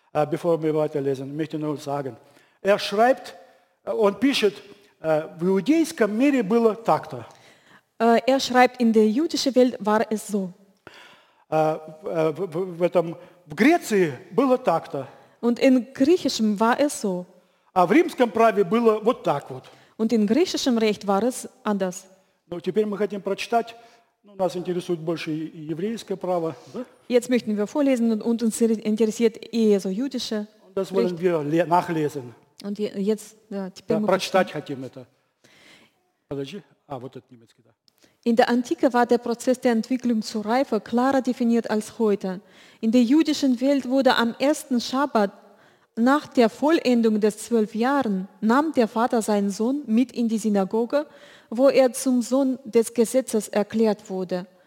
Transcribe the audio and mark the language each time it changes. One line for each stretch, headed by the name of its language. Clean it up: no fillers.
German: Bevor wir weiterlesen, möchte ich nur sagen, er schreibt und
Russian: пишет, в иудейском мире было так-то.
German: Er schreibt, in der jüdischen Welt war es so.
Russian: В Греции было так-то.
German: Und in griechischem war es so.
Russian: А в римском праве было вот так вот.
German: Und in griechischem Recht war es anders.
Russian: Но теперь мы хотим прочитать, ну, нас интересует больше еврейское право. Да?
German: Jetzt möchten wir vorlesen und uns interessiert eher so jüdische. Und das wollen wir nachlesen. Und jetzt, ja,
Russian: теперь мы прочитать хотим это. Подожди, а вот это немецкий, да.
German: In der Antike war der Prozess der Entwicklung zur Reife klarer definiert als heute. In der jüdischen Welt wurde am ersten Schabbat nach der Vollendung des 12 Jahren nahm der Vater seinen Sohn mit in die Synagoge, wo er zum Sohn des Gesetzes erklärt wurde.